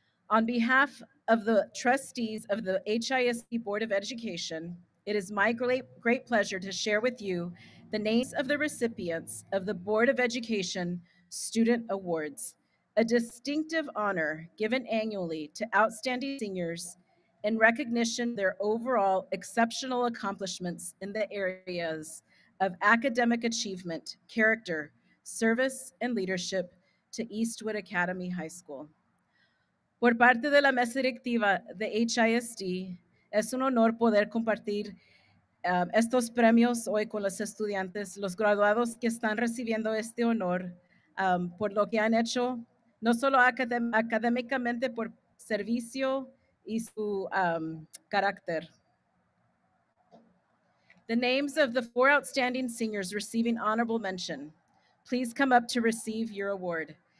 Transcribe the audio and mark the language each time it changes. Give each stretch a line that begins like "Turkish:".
English: On behalf of the trustees of the HISD Board of Education, it is my great pleasure to share with you the names of the recipients of the Board of Education Student Awards, a distinctive honor given annually to outstanding seniors in recognition of their overall exceptional accomplishments in the areas of academic achievement, character, service, and leadership to Eastwood Academy High School.
Spanish: Por parte de la mesa directiva de HISD, es un honor poder compartir estos premios hoy con los estudiantes, los graduados que están recibiendo este honor por lo que han hecho, no solo académicamente por servicio y su carácter.
English: The names of the four outstanding seniors receiving honorable mention, please come up to receive your award.